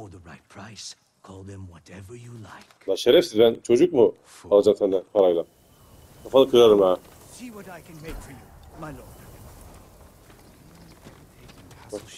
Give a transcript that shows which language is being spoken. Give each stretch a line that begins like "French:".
English: For the right price, call them whatever you like.
Turkish: Lan şerefsiz, ben çocuk mu alacağım senden parayla? Kafanı kırarım ha.
English: See what I can make for you, my lord.